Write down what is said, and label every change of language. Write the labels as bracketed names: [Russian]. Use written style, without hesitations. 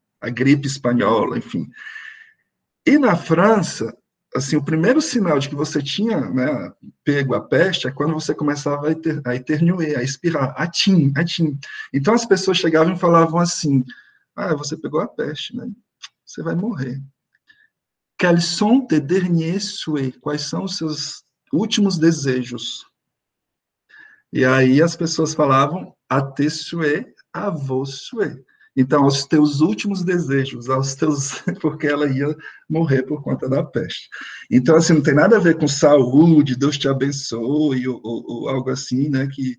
[Portuguese] A gripe espanhola, enfim. E na França... Assim, o primeiro sinal de que você tinha, né, pego a peste é quando você começava a éternuer, a expirar, a tim, a tim. Então, as pessoas chegavam e falavam assim, ah, você pegou a peste, né? Você vai morrer. [French] Quels sont tes derniers souhaits? [Portuguese] Quais são os seus últimos desejos? E aí as pessoas falavam, [French] a te souhaits, a vos souhaits. [Portuguese] Então, aos teus últimos desejos, aos teus... porque ela ia morrer por conta da peste. Então, assim, não tem nada a ver com saúde, Deus te abençoe, ou algo assim, né?